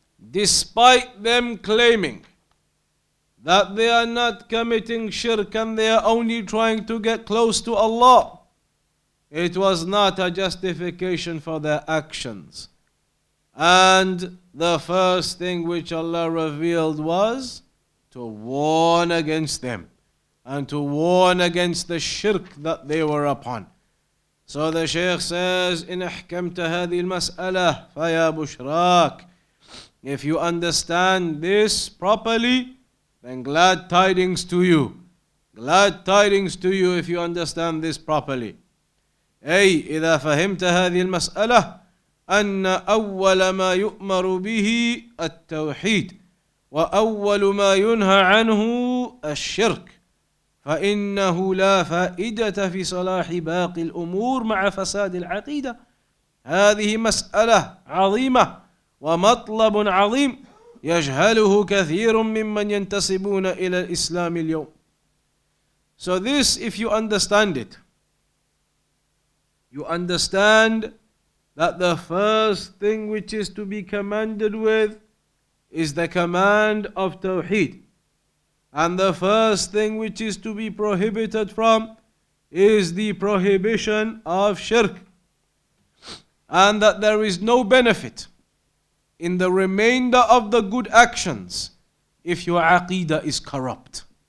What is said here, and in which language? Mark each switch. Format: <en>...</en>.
<en>Despite them claiming that they are not committing shirk and they are only trying to get close to Allah, it was not a justification for their actions. And the first thing which Allah revealed was to warn against them and to warn against the shirk that they were upon. So the Shaykh says, إن أحكمت هذه المسألة فيا بشراك. If you understand this properly, then glad tidings to you. Glad tidings to you if you understand this properly.</en> <ar>أي إذا فهمت هذه المسألة أن أول ما يؤمر به التوحيد وأول ما ينهى عنه الشرك فإنه لا فائدة في صلاح باقي الأمور مع فساد العقيدة. هذه مسألة عظيمة ومطلب عظيم يجهله كثير ممن ينتسبون إلى الإسلام اليوم.</ar> <en>So this, if you understand it, you understand that the first thing which is to be commanded with is the command of Tawhid, and the first thing which is to be prohibited from is the prohibition of shirk, and that there is no benefit in the remainder of the good actions if your aqidah is corrupt.</en>